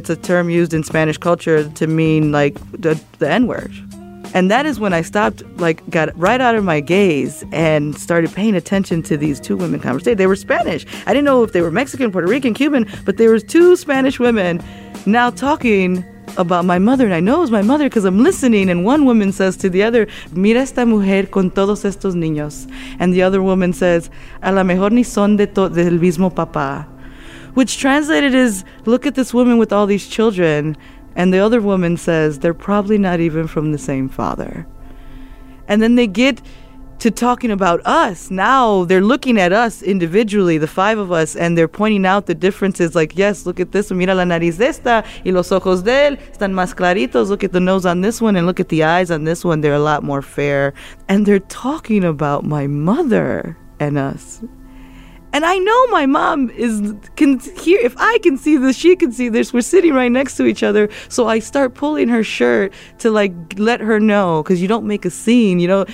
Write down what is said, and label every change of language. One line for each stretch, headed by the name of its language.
English: It's a term used in Spanish culture to mean like the N-word. And that is when I stopped, like, got right out of my gaze and started paying attention to these two women conversation. They were Spanish. I didn't know if they were Mexican, Puerto Rican, Cuban, but there was two Spanish women now talking about my mother, and I know it was my mother because I'm listening. And one woman says to the other,
Spanish: mira esta mujer con todos estos niños.
English: And the other woman says,
Spanish: a la mejor ni son de del mismo papá.
English: Which translated is, look at this woman with all these children. And the other woman says, they're probably not even from the same father. And then they get to talking about us. Now they're looking at us individually, the five of us, and they're pointing out the differences. Like, yes, look at this one.
Spanish: Mira la nariz de esta y los ojos de él están más claritos.
English: Look at the nose on this one and look at the eyes on this one. They're a lot more fair. And they're talking about my mother and us. And I know my mom can hear, if I can see this, she can see this. We're sitting right next to each other. So I start pulling her shirt to like let her know, because you don't make a scene, you know.